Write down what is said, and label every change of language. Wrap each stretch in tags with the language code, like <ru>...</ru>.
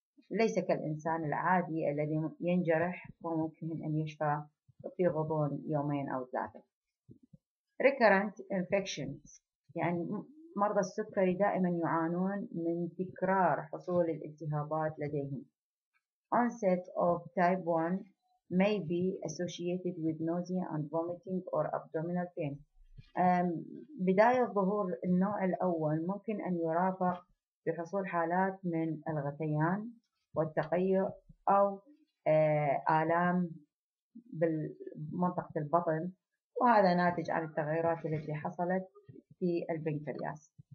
<ar>ليس كالإنسان العادي الذي ينجرح وممكن أن يشفى في غضون يومين أو ثلاثة.</ar> <en>Recurrent infections</en> <ar>يعني مرضى السكري دائما يعانون من تكرار حصول الالتهابات لديهم.</ar> <en>Onset of type 1 may be associated with nausea and vomiting or abdominal pain.</en> <ar>بداية ظهور النوع الأول ممكن أن يرافق بحصول حالات من الغثيان والتقيؤ أو آلام بمنطقة البطن، وهذا ناتج عن التغيرات التي حصلت في البنكرياس.</ar>